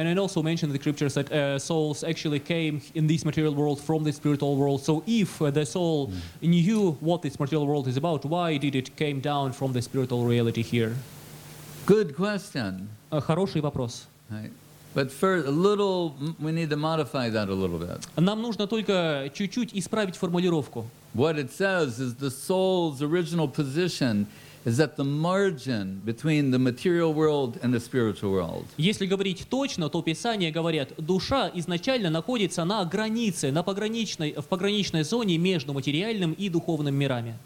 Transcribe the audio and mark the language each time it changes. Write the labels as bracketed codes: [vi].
[en] and it also mentioned in the scriptures that souls actually came in this material world from the spiritual world. So if the soul knew what this material world is about, why did it came down from the spiritual reality here? Good question. [ru] Хороший вопрос. [en] Right. But first, a little, we need to modify that a little bit. [ru] Нам нужно только чуть-чуть исправить формулировку. [en] What it says is the soul's original position is at the margin between the material world and the spiritual world. [ru] Если говорить точно, то Писание говорит, душа изначально находится на границе, на пограничной, в пограничной зоне между материальным и духовным мирами.